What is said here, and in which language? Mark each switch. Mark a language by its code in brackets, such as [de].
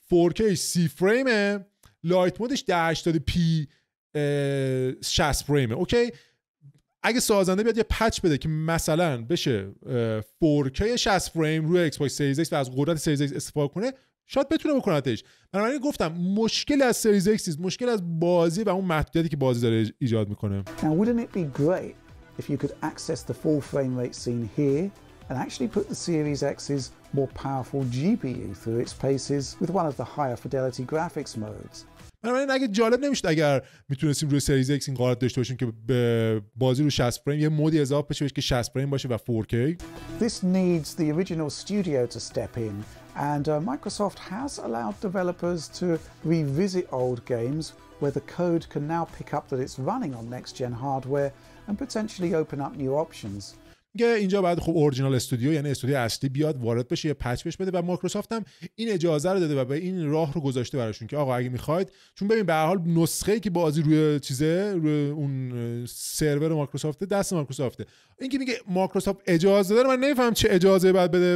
[fa] 4K 30 فریمه، لایت مودش 1080 پی 60 فریمه. اوکی اگه سازنده بیاد یه پچ بده که مثلا بشه 4K 60 فریم روی ایکس باکس سریز ایکس و از قدرت سریز ایکس استفاده کنه، شاید بتونه بکنتش. بنابراین گفتم مشکل از سریز ایکس نیست، مشکل از بازی و اون محدودیتی که بازی داره ایجاد میکنه. [en] Now wouldn't it be great if you could access the full frame rate scene here and actually put the Series X's more powerful GPU through its paces with one of the higher fidelity graphics modes. [fa] بنابراین اگه جالب نمیشد اگر میتونستیم روی سریز ایکس این قدرت داشته باشیم که بازی رو 60 فریم یه مودی اضافه بشه که 60 فریم باشه و 4K. [en] This needs the original studio to step in and Microsoft has allowed developers to revisit old games where the code can now pick up that it's running on next gen hardware and potentially open up new options. [fa] که اینجا بعد خب اورجینال استودیو یعنی استودیو اصلی بیاد وارد بشه یه پچ بش بده و مایکروسافت هم این اجازه رو داده و به این راه رو گذاشته براشون که آقا اگه میخواید، چون ببین به هر حال نسخه‌ای که بازی روی چیزه روی اون سرور مایکروسافت دست مایکروسافته، این که میگه مایکروسافت اجازه داره من نمیفهم چه اجازه بعد بده.